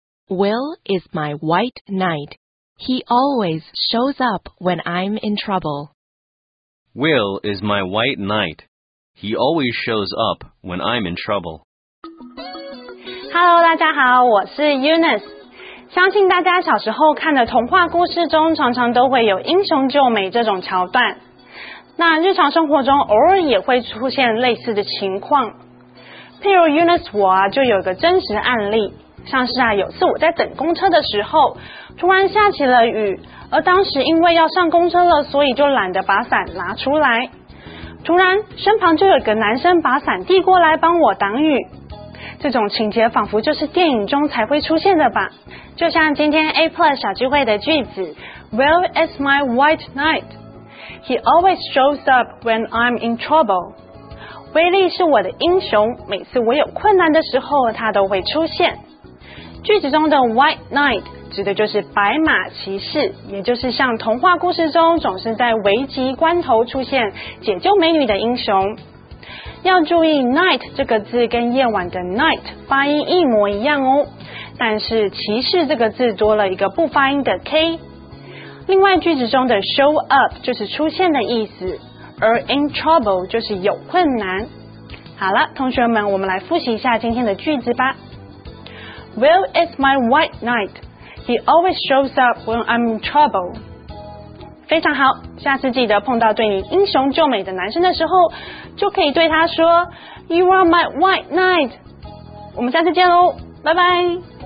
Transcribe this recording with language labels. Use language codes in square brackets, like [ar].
[en] Will is my white knight. He always shows up when I'm in trouble. Will is my white knight. He always shows up when I'm in trouble. [zh] Hello, 大家好，我是 Eunice。相信大家小时候看的童话故事中，常常都会有英雄救美这种桥段。那日常生活中偶尔也会出现类似的情况。譬如 Eunice 我啊，就有个真实案例，像是啊，有次我在等公车的时候，突然下起了雨，而当时因为要上公车了，所以就懒得把伞拿出来。突然身旁就有个男生把伞递过来帮我挡雨。这种情节仿佛就是电影中才会出现的吧，就像今天 A Plus 小聚会的句子 [en] Will is my white knight. He always shows up when I'm in trouble. [zh] 威力是我的英雄，每次我有困难的时候他都会出现。句子中的 white knight 指的就是白马骑士，也就是像童话故事中总是在危急关头出现解救美女的英雄。要注意 night 这个字跟夜晚的 night 发音一模一样哦，但是骑士这个字多了一个不发音的 k。另外句子中的 show up 就是出现的意思，而 in trouble 就是有困难。好了，同学们，我们来复习一下今天的句子吧。 [en] Will is my white knight. He always shows up when I'm in trouble. [zh] 非常好，下次记得碰到对你英雄救美的男生的时候，就可以对他说 [en] You are my white knight. [zh] 我们下次见咯，拜拜。